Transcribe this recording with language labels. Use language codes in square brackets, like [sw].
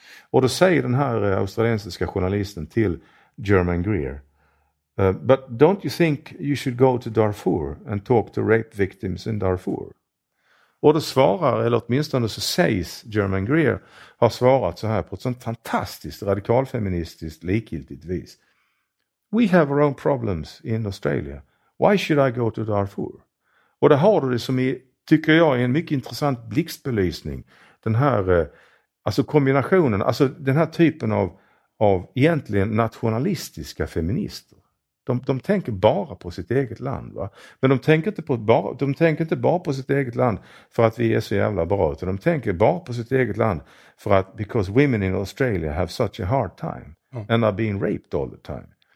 [sv] Och då säger den här australiensiska journalisten till German Greer, [en] but don't you think you should go to Darfur and talk to rape victims in Darfur? [sv] Och då svarar, eller åtminstone så sägs German Greer, har svarat så här på ett sånt fantastiskt radikalfeministiskt likgiltigt vis. [en] We have our own problems in Australia. Why should I go to Darfur? [sv] Och där har du det som, tycker jag, är en mycket intressant blixtbelysning. Den här, alltså kombinationen, alltså den här typen av, av egentligen nationalistiska feminister. De tänker bara på sitt eget land, va? Men de tänker inte bara på sitt eget land för att vi är så jävla bra, utan de tänker bara på sitt eget land för att [en] because women in Australia have such a hard time and are being raped all the time.